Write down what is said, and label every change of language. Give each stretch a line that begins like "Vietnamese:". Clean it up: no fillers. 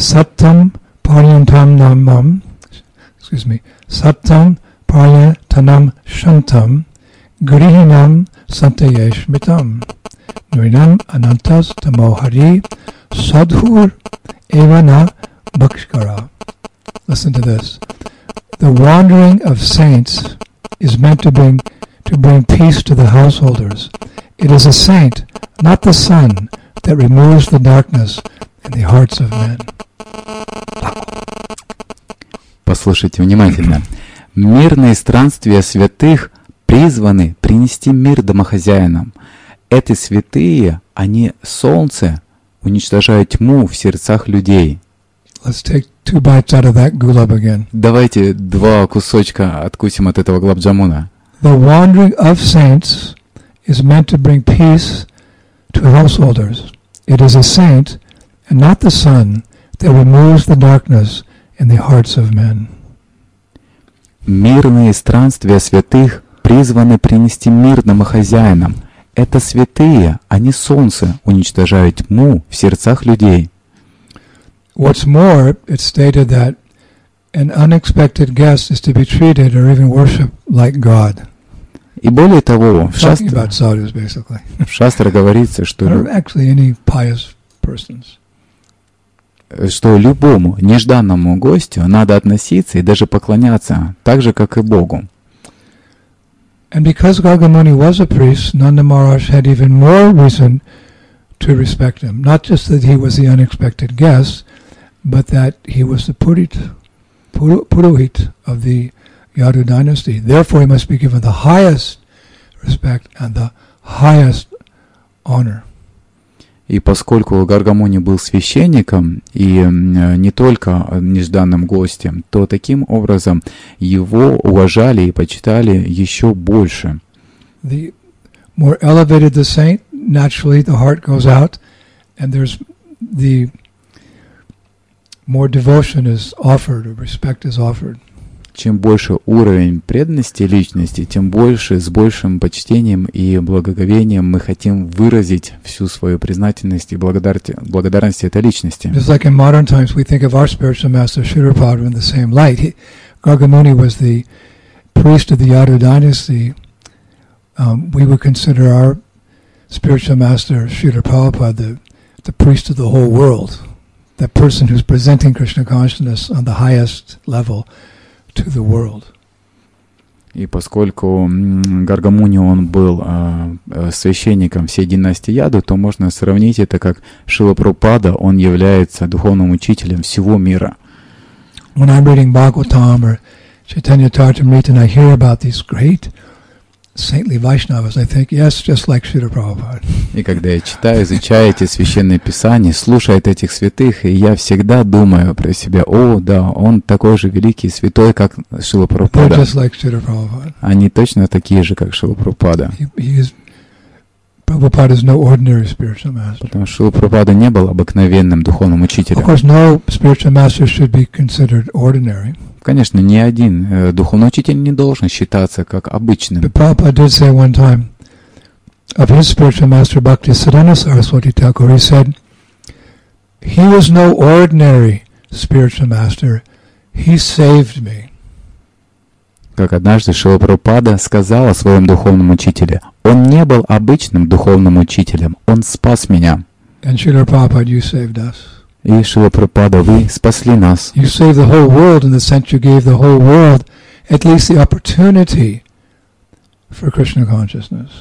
Sanskrit: Саттам парьянтам намам.
English: Excuse me.
Sanskrit: Саттам парьянтанам шантам грихинам сантаеш митам. Нуинам анантас тамохари садхур эвана бхакшкара.
English: Listen to this. The wandering of saints is meant to bring peace to the householders. It is a saint, not the sun, that removes the darkness in the hearts of men.
Russian: Послушайте внимательно. Мирные странствия святых призваны принести мир домохозяинам. Эти святые, они солнце, уничтожают тьму в сердцах людей.
English: Let's take two bites out of that gulab again.
Russian: Давайте два кусочка откусим от этого гулаб-джамуна.
English: The wandering of saints is meant to bring peace to householders. It is a saint, and not the sun, that removes the darkness in the hearts of men.
Russian: Мирные странствия святых призваны принести мир домохозяинам. Это святые, а не солнце, уничтожают тьму в сердцах людей.
English: What's more, it's stated that an unexpected guest is to be treated or even worshipped like God.
Russian: И более того, в шастре говорится, что
English: actually any pious persons.
Russian: Что любому нежданному гостю надо относиться и даже поклоняться так же, как и Богу.
English: And because Gargamuni was a priest, Nanda Maharaj had even more reason to respect him. Not just that he was the unexpected guest, but that he was the Purohit of the Yadu dynasty. Therefore, he must be given the highest respect and the highest honor.
Russian: И поскольку Гаргамуни был священником и не только нежданным гостем, то таким образом его уважали и почитали еще больше.
English: The more elevated the saint, naturally the heart goes out, and there's the more devotion is offered, or respect is offered.
Russian: Чем больше уровень преданности личности, тем больше, с большим почтением и благоговением мы хотим выразить всю свою признательность и благодарность этой личности.
English: Just like in modern times we think of our spiritual master Śrīla Prabhupāda in the same light. Gargamuni was the priest of the Yadu dynasty. We would consider our spiritual master Śrīla Prabhupāda the priest of the whole world. That person who's presenting Krishna consciousness on the highest level to the world.
Russian: И поскольку Гаргамуни он был священником всей династии Яду, то можно сравнить это как Шрила Прабхупада, он является духовным учителем всего мира.
English: When I'm reading Bhagavatam or Chaitanya Charitamrita and I hear about these great saintly Vaishnavas, I think, yes, just like Śrīla Prabhupāda.
Russian: И когда я читаю, изучаю эти священные писания, слушаю этих святых, и я всегда думаю про себя, о, да, он такой же великий святой, как Шрила Прабхупада.
English: They're just like Śrīla Prabhupāda.
Russian: Они точно такие же, как Шрила Прабхупада.
English: Prabhupada is no ordinary spiritual master.
Russian: Потому что Шрила Прабхупада не был обыкновенным духовным учителем.
English: Of course, no spiritual master should be considered ordinary.
Russian: Конечно, ни один духовный учитель не должен считаться как обычным.
English: But Prabhupada did say one time of his spiritual master Bhakti Siddhanta Saraswati Thakur, he said, he was no ordinary spiritual master, he saved me.
Russian: Как однажды Шрила Прабхупада сказал о своем духовном учителе: «Он не был обычным духовным учителем, он спас меня».
English: And Srila Prabhupada, you saved us.
Russian: И Шрила Прабхупада, вы спасли нас.
English: You saved the whole world in the sense you gave the whole world at least the opportunity for Krishna consciousness.